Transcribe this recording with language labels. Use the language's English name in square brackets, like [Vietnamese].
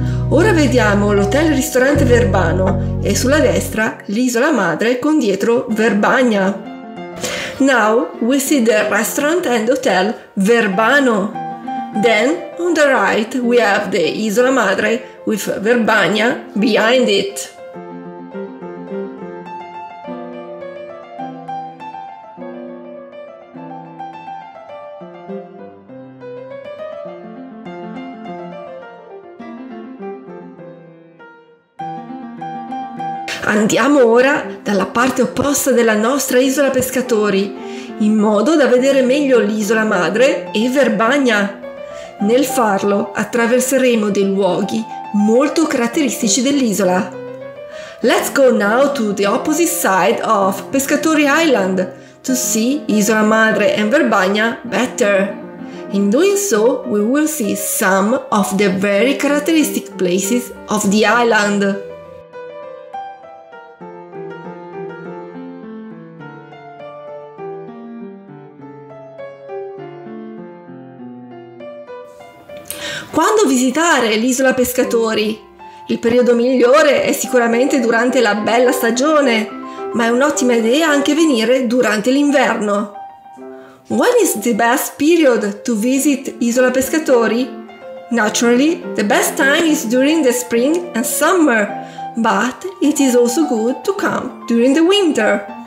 [Italian] Ora vediamo l'hotel ristorante Verbano e sulla destra l'isola madre con dietro Verbania. [English] Now we see the restaurant and hotel Verbano. Then on the right we have the isola madre with Verbania behind it. [Italian] Andiamo ora dalla parte opposta della nostra isola pescatori, in modo da vedere meglio l'isola madre e Verbania. Nel farlo attraverseremo dei luoghi molto caratteristici dell'isola. [English] Let's go now to the opposite side of Pescatori Island to see Isola Madre and Verbania better. In doing so, we will see some of the very characteristic places of the island. [Italian] Quando visitare l'isola Pescatori? Il periodo migliore è sicuramente durante la bella stagione, ma è un'ottima idea anche venire durante l'inverno. [English] When is the best period to visit Isola Pescatori? Naturally, the best time is during the spring and summer, but it is also good to come during the winter.